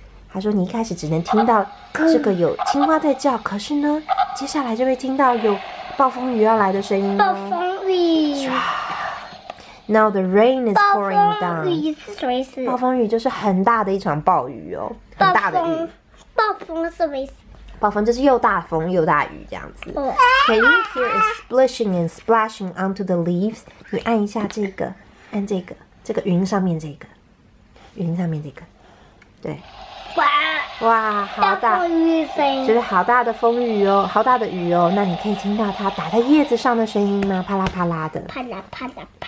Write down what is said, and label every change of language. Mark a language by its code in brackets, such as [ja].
[zh] 他说，你一开始只能听到这个有青蛙在叫，可是呢，接下来就会听到有。暴风雨要来的声音暴风雨。 [en] Now the rain is [zh] 暴 [en] pouring [zh] 风 [en] down。 [zh] 雨是什么意思？暴风雨就是很大的一场暴雨哦，很大的雨。暴风是什么意思？暴风就是又大风又大雨这样子。 [en] Can you hear it splishing and splashing onto the leaves？ [zh] 你按一下这个，按这个，这个云上面这个，云上面这个，对。哇，好大！就是好大的风雨哦，好大的雨哦。那你可以听到它打在叶子上的声音吗？啪啦啪啦的。啪啦啪啦啪。